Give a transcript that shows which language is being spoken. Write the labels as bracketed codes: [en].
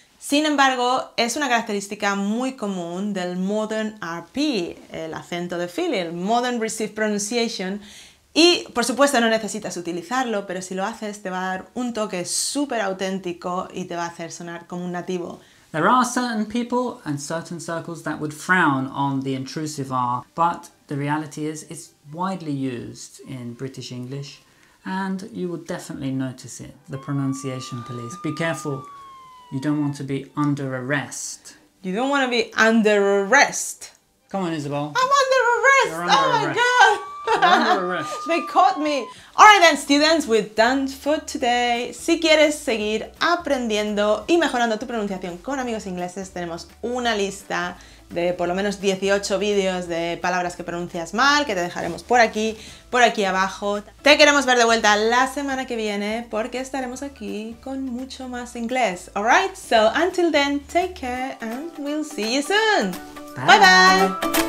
[es] Sin embargo, es una característica muy común del modern RP, el acento de Philly, el modern received pronunciation. Y, por supuesto, no necesitas utilizarlo, pero si lo haces, te va a dar un toque súper auténtico y te va a hacer sonar como un nativo. [en] There are certain people and certain circles that would frown on the intrusive R, but the reality is it's widely used in British English and you will definitely notice it. The pronunciation police, be careful. You don't want to be under arrest. You don't want to be under arrest. Come on, Isabel. I'm under arrest. You're under arrest. God. They caught me. All right then, students, we're done for today. [es] Si quieres seguir aprendiendo y mejorando tu pronunciación con amigos ingleses, tenemos una lista de por lo menos 18 vídeos de palabras que pronuncias mal, que te dejaremos por aquí abajo. Te queremos ver de vuelta la semana que viene porque estaremos aquí con mucho más inglés. [en] All right? So, until then, take care and we'll see you soon. Bye bye.